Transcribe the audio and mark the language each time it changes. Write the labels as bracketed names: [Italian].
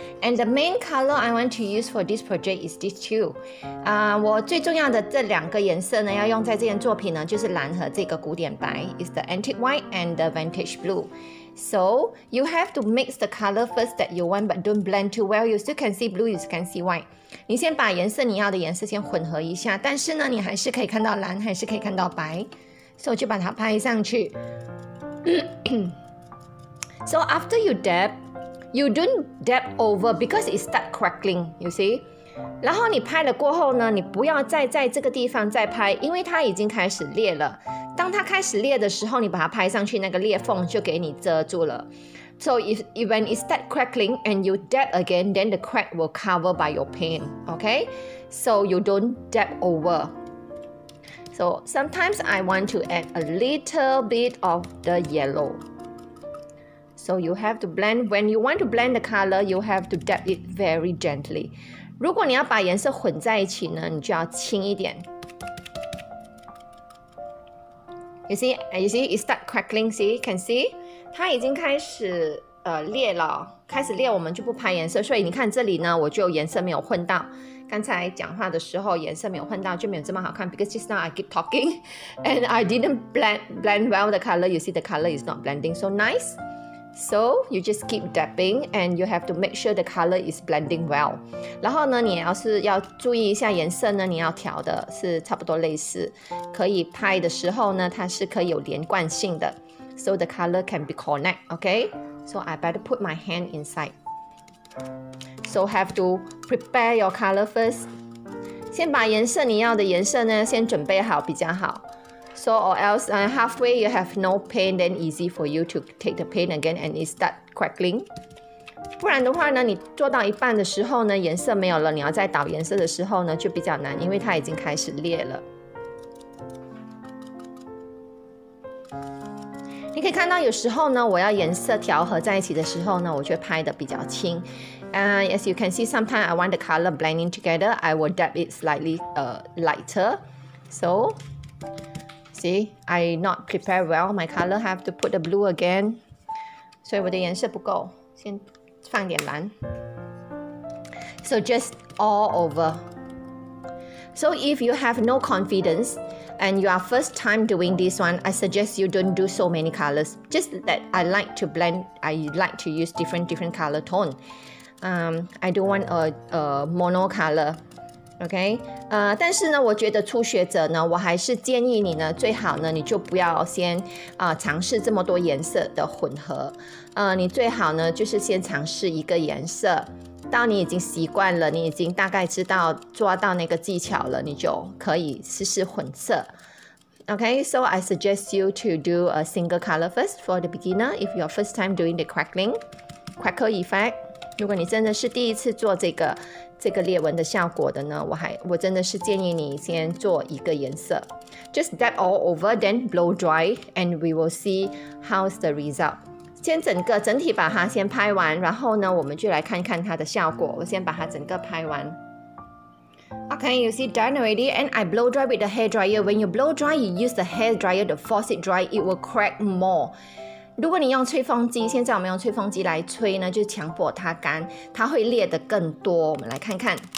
[English] And the main color I want to use for this project is these two. [Chinese] 我最重要的这两个颜色呢要用在这件作品呢就是蓝和这个古典白 [English] is the antique white and the vintage blue. So, you have to mix the color first that you want, but don't blend too well. You still can see blue, you still can see white. [Chinese] 你先把颜色你要的颜色先混合一下但是呢你还是可以看到蓝还是可以看到白。所以就把它拍上去。 [English] So after you dab, you don't dab over because it start crackling, you see? [Chinese] 然后你拍了过后呢你不要再在这个地方再拍因为它已经开始裂了。当它开始裂的时候你把它拍上去那个裂缝就给你遮住了。 [English] So if when it start crackling and you dab again, then the crack will cover by your paint, okay? So you don't dab over. So sometimes I want to add a little bit of the yellow. So you have to blend, when you want to blend the color, you have to dab it very gently. [Chinese] 如果你要把颜色混在一起呢，你就要轻一点。 [English] You see, it start crackling, can see? [Chinese] 它已经开始裂了，开始裂我们就不拍颜色，所以你看这里呢，我就颜色没有混到。刚才讲话的时候颜色没有混到就没有这么好看 [English] because just now I keep talking and I didn't blend well the color, you see the color is not blending so nice. So you just keep dabbing and you have to make sure the color is blending well. [Chinese] 然后呢你要是要注意一下颜色呢你要调的是差不多类似。可以拍的时候呢它是可以有连贯性的。 [English] So the color can be connect, okay? So I better put my hand inside. So have to prepare your color first. [Chinese] 先把颜色你要的颜色呢先准备好比较好。 [English] So or else halfway you have no paint then easy for you to take the paint again and it start crackling. [Chinese] 不然的话呢你做到一半的时候呢颜色没有了你要再倒颜色的时候呢就比较难因为它已经开始裂了。你可以看到有时候呢我要颜色调和在一起的时候呢我就拍得比较轻。 [English] As you can see, sometimes I want the color blending together, I will dab it slightly lighter. So,See, I not prepare well. My color have to put the blue again. [Chinese] 所以我的颜色不够，先放点蓝。 [English] So just all over. So if you have no confidence and you are first time doing this one, I suggest you don't do so many colors. Just that I like to blend. I like to use different color tone. I don't want a mono color. [Chinese] OK, 但是呢我觉得初学者呢我还是建议你呢最好呢你就不要先尝试这么多颜色的混合。你最好呢就是先尝试一个颜色到你已经习惯了你已经大概知道抓到那个技巧了你就可以试试混色。 [English] OK, so I suggest you to do a single color first for the beginner if you're first time doing the crackle effect. [Chinese] 如果你真的是第一次做这个裂纹的效果的呢我真的是建议你先做一个颜色 [English] Just dab all over, then blow dry, and we will see how's the result. [Chinese] 先整体把它先拍完然后呢我们就来看看它的效果我先把它整个拍完。 [English] Okay, you see done already, and I blow dry with the hair dryer. When you blow dry, you use the hair dryer to force it dry, it will crack more. [Chinese] 如果你用吹风机现在我们用吹风机来吹呢就强迫它干它会裂得更多我们来看看